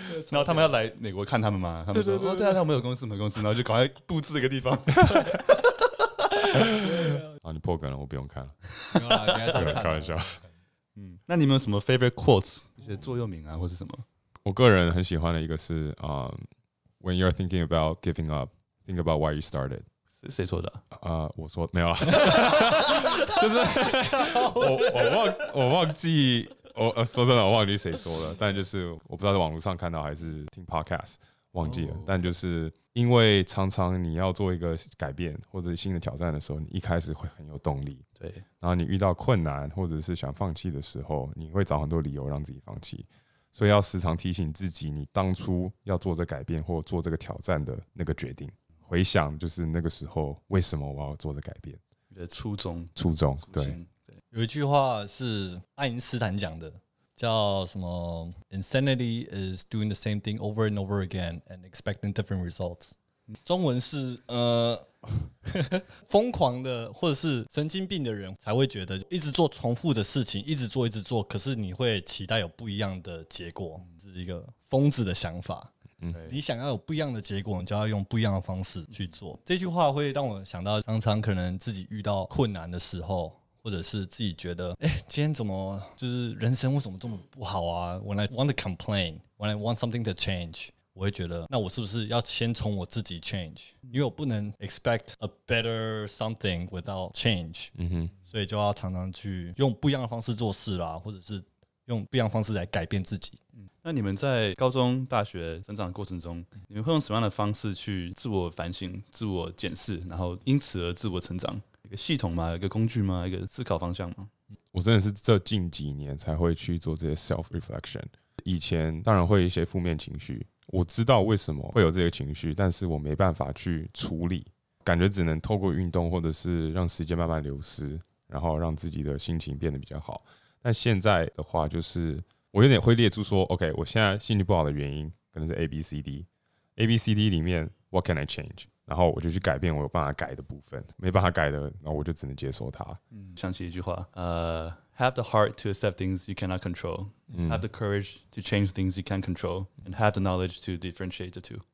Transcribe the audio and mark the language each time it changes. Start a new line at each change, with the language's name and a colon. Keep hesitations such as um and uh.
Chinese: 然后他们要来美国看他们嘛，他们说，对啊，他们有公司，没公司，然后就赶快布置一个地方。啊，你破梗了，我不用看了。开玩笑。嗯，那你们有什么 favorite quotes 一些座右铭啊，或是什么？我个人很喜欢的一个是啊，
English: when you are thinking about giving up，think about why you started。
Chinese: 是谁说的？啊，我说没有，就是我我忘我忘记我呃说真的我忘记谁说了，但就是我不知道在网络上看到还是听 podcast。忘记了，但就是因为常常你要做一个改变或者新的挑战的时候，你一开始会很有动力，对。然后你遇到困难或者是想放弃的时候，你会找很多理由让自己放弃，所以要时常提醒自己，你当初要做这改变或做这个挑战的那个决定，回想就是那个时候为什么我要做这改变的初衷。初衷，对。有一句话是爱因斯坦讲的。叫什么？
English: Insanity is doing the same thing over and over again and expecting different results。
Chinese: 中文是呃，疯 狂的或者是神经病的人才会觉得一直做重复的事情，一直做，一直做，可是你会期待有不一样的结果，是一个疯子的想法。嗯、mm，hmm. 你想要有不一样的结果，你就要用不一样的方式去做。嗯、这句话会让我想到，常常可能自己遇到困难的时候。或者是自己觉得，哎、欸，今天怎么就是人生为什么这么不好啊？
English: When I want to complain, when I want something to change，
Chinese: 我会觉得，那我是不是要先从我自己 change？因为我不能
English: expect a better something without change。
Chinese: 嗯哼，所以就要常常去用不一样的方式做事啦，或者是用不一样方式来改变自己。嗯，那你们在高中、大学成长的过程中，你们会用什么样的方式去自我反省、自我检视，然后因此而自我成长？一个系统吗？一个工具吗？一个思考方向吗？我真的是这近几年才会去做这些 self reflection。 Ref 以前当然会一些负面情绪，我知道为什么会有这个情绪，但是我没办法去处理，感觉只能透过运动或者是让时间慢慢流失，然后让自己的心情变得比较好。但现在的话，就是我有点会列出说，OK，我现在心情不好的原因可能是 A B C D，A B C D 里面
English: what can I change？
Chinese: 然后我就去改变我有办法改的部分，没办法改的，然后我就只能接受它。
English: 嗯，
Chinese: 想起一句话，
English: 呃、uh,，have the heart to accept things you cannot control, 嗯, have the courage to change things you can control, and have the knowledge to differentiate the two。